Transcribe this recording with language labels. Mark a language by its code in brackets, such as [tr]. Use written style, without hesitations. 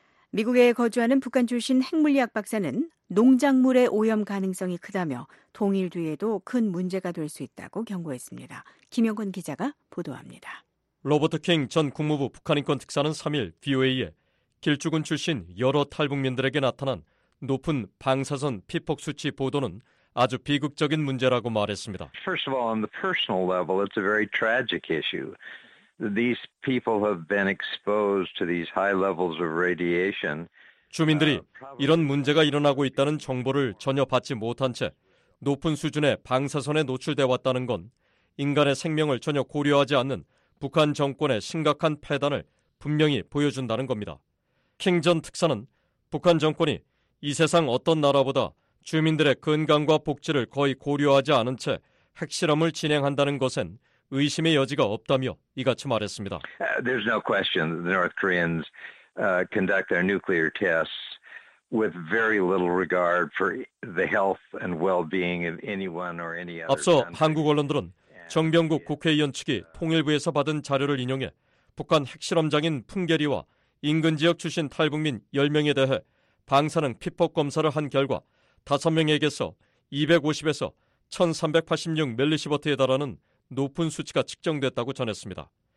[ko] 미국에 거주하는 북한 출신 핵물리학 박사는 농작물의 오염 가능성이 크다며 통일 뒤에도 큰 문제가 될 수 있다고 경고했습니다. 김영건 기자가 보도합니다. 로버트 킹 전 국무부 북한인권특사는 3일 VOA에 길주군 출신 여러 탈북민들에게 나타난 높은 방사선 피폭 수치 보도는 아주 비극적인 문제라고 말했습니다. [en] First of all, on the personal level, it's a very tragic issue. These people have been exposed to these high levels of radiation. [ko] 주민들이 이런 문제가 일어나고 있다는 정보를 전혀 받지 못한 채 높은 수준의 방사선에 노출돼 왔다는 건 인간의 생명을 전혀 고려하지 않는 북한 정권의 심각한 패단을 분명히 보여준다는 겁니다. 킹 전 특사는 북한 정권이 이 세상 어떤 나라보다 주민들의 건강과 복지를 거의 고려하지 않은 채 핵실험을 진행한다는 것엔 의심의 여지가 없다며 이같이 말했습니다. [en] There's no question the North Koreans conduct their nuclear tests with very little regard for the health and well-being of anyone or any other. [ko] 앞서 한국 언론들은 정병국 국회의원 측이 통일부에서 받은 자료를 인용해 북한 핵실험장인 풍계리와 인근 지역 출신 탈북민 10명에 대해 방사능 피폭 검사를 한 결과 5명에게서 250에서 1386 멜리시버트에 달하는 높은 수치가 측정됐다고 전했습니다.